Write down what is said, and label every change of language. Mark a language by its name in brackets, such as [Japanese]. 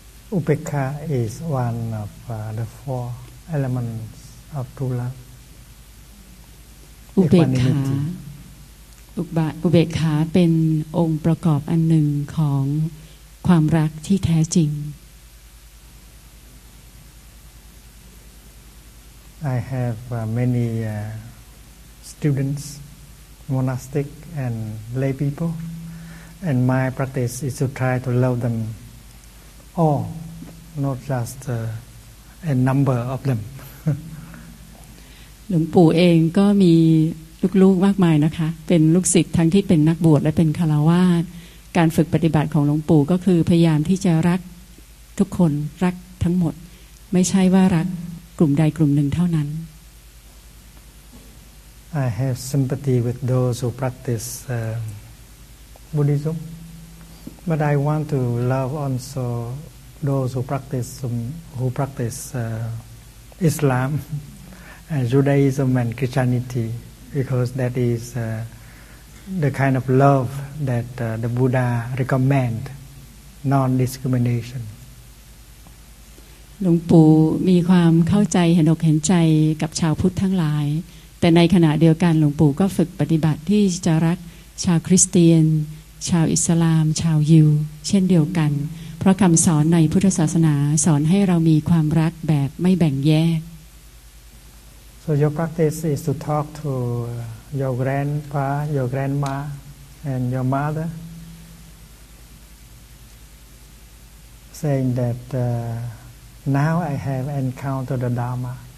[English] Upekkha is one of the four elements of true love. [Thai] Upekkha เป็นองค์ประกอบอันหนึ่งของความรักที่แท้จริง [English] I have many students, monastic and lay people, and my practice is to try to love them all. Not just a number of them. [Thai] หลวงปู่เองก็มีลูกๆมากมายนะคะเป็นลูกศิษย์ทั้งที่เป็นนักบวชและเป็นฆราวาสการฝึกปฏิบัติของหลวงปู่ก็คือพยายามที่จะรักทุกคนรักทั้งหมดไม่ใช่ว่ารักกลุ่มใดกลุ่มหนึ่งเท่านั้น [English] I have sympathy with those who practice Buddhism, but I want to love also. Those who practice Islam and Judaism and Christianity, because that is the kind of love that the Buddha recommend, non-discrimination. [Thai] หลวงปู่มีความเข้าใจเห็นอกเห็นใจกับชาวพุทธทั้งหลายแต่ในขณะเดียวกันหลวงปู่ก็ฝึกปฏิบัติที่จะรักชาวคริสเตียนชาวอิสลามชาวยิวเช่นเดียวกันเพราะคำสอนในพุทธศาสนาสอนให้เรามีความรักแบบไม่แบ่งแยก [English] So your practice is to talk to your grandpa, your grandma, and your mother, saying that now I have encountered the Dharma.